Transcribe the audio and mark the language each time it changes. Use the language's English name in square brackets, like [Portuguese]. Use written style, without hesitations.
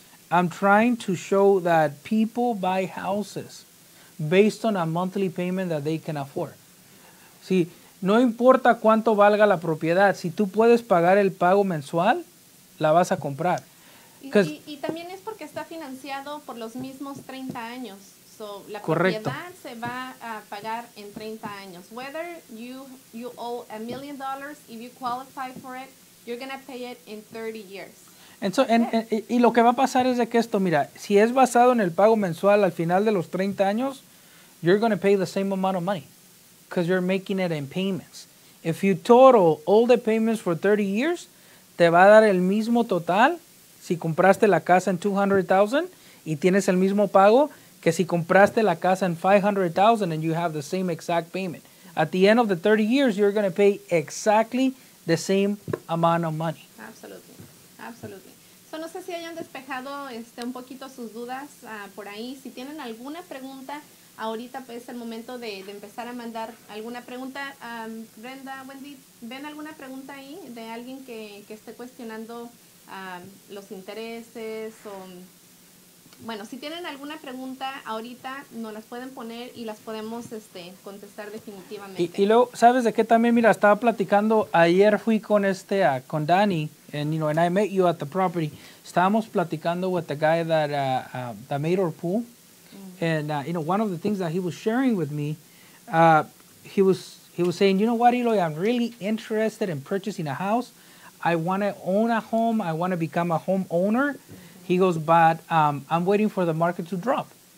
[English] I'm trying to show that people buy houses based on a monthly payment that they can afford. [Spanish] Si, no importa cuánto valga la propiedad, si tú puedes pagar el pago mensual, la vas a comprar. Y también es porque está financiado por los mismos 30 años. So, la correcto. Propiedad se va a pagar en 30 años. [English] Whether you owe $1,000,000, if you qualify for it, you're going to pay it in 30 years. [Spanish] Y lo que va a pasar es de que esto, mira, si es basado en el pago mensual al final de los 30 años, [English] you're going to pay the same amount of money because you're making it in payments. If you total all the payments for 30 years, [Spanish] te va a dar el mismo total si compraste la casa en $200,000 y tienes el mismo pago que si compraste la casa en $500,000 [English] and you have the same exact payment. At the end of the 30 years, you're going to pay exactly the same amount of money. Absolutely. Absolutely. [Spanish] So, no sé si hayan despejado un poquito sus dudas por ahí. Si tienen alguna pregunta, ahorita pues, es el momento de empezar a mandar alguna pregunta. Brenda, Wendy, ¿ven alguna pregunta ahí de alguien que esté cuestionando los intereses? O, bueno, si tienen alguna pregunta, ahorita nos las pueden poner y las podemos contestar definitivamente. Y luego, ¿sabes de qué también? Mira, estaba platicando, ayer fui con con Dani. [English] And you know, and I met you at the property. [Spanish] Estábamos platicando [English] with the guy that that made our pool, and you know, one of the things that he was sharing with me, he was saying, you know what, Eloy, I'm really interested in purchasing a house. I want to own a home. I want to become a homeowner. He goes, but I'm waiting for the market to drop.